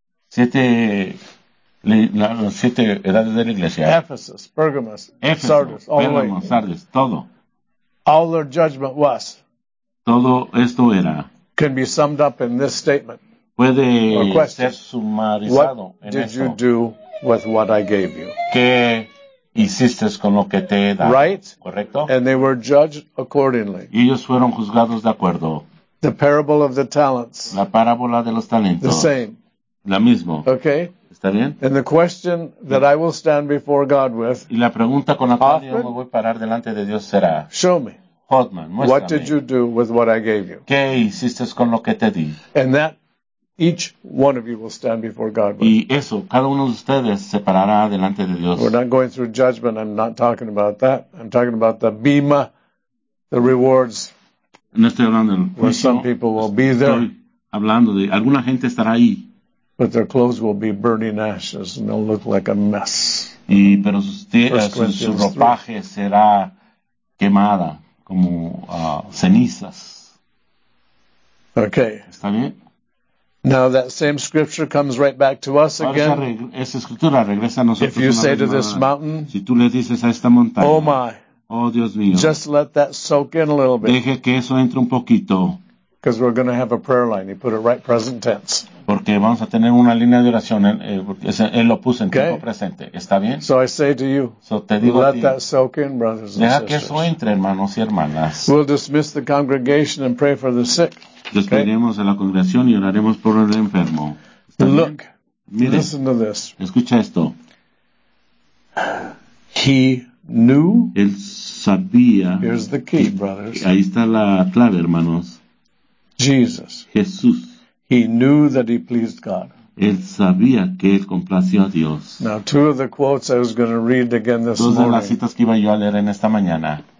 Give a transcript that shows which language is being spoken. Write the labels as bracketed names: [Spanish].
[Spanish] Siete edades de la iglesia. [English] Ephesus, Pergamos, [Spanish] Sardis, todo. [English] All their judgment was. [Spanish] Todo esto era. [English] Can be summed up in this statement. [Spanish] Puede ser sumarizado [English] what [Spanish] en esto. [English] What did you do with what I gave you? [Spanish] ¿Qué hiciste con lo que te he dado? [English] Right? [Spanish] ¿Correcto? [English] And they were judged accordingly. [Spanish] Y ellos fueron juzgados de acuerdo. [English] The parable of the talents. [Spanish] La parábola de los talentos. [English] The same. [Spanish] La mismo. [English] Okay. [Spanish] ¿Está bien? [English] And the question that I will stand before God with. [Spanish] Y la pregunta con la cual yo me voy a parar delante de Dios será. [English] Show me. [Spanish] Hodman, muéstrame. [English] What did you do with what I gave you? [Spanish] ¿Qué hiciste con lo que te di? [English] And that each one of you will stand before God with. [Spanish] Y eso, cada uno de ustedes se parará delante de Dios. [English] We're not going through judgment. I'm not talking about that. I'm talking about the bima, the rewards. [Spanish] No estoy hablando del [English] where some people will be there. [Spanish] Estoy hablando de alguna gente estará ahí. [English] But their clothes will be burning ashes, and they'll look like a mess. [Spanish] Y pero su ropaje será quemada como cenizas. [English] Okay. [Spanish] ¿Está bien? [English] Now that same scripture comes right back to us again. [Spanish] Esa escritura regresa a nosotros. [English] If you say to this mountain, [Spanish] si tú le dices a esta montaña, [English] oh my, [Spanish] oh Dios mío, [English] just let that soak in a little bit. [Spanish] Deje que eso entre un poquito. [English] Because we're going to have a prayer line. He put it right present tense. [Spanish] Porque vamos a tener una línea de oración. Él lo puso en tiempo presente. ¿Está bien? [English] So I say to you, [Spanish] so te digo [English] let [Spanish] a ti, [English] that soak in, brothers and sisters. [Spanish] Deja que eso entre, hermanos y hermanas. [English] We'll dismiss the congregation and pray for the sick. [Spanish] Despediremos a la congregación y oraremos por el enfermo. [English] Look, [Spanish] mire, [English] listen to this. [Spanish] Escucha esto. [English] He knew. [Spanish] Él sabía. [English] Here's the key, brothers. [Spanish] Ahí está la clave, hermanos. [English] Jesus. [Spanish] Jesús. [English] He knew that he pleased God. [Spanish] Él sabía que él complació a Dios. [English] Now, two of the quotes I was going to read again this morning. [Spanish] Dos de las citas que iba yo a leer en esta mañana.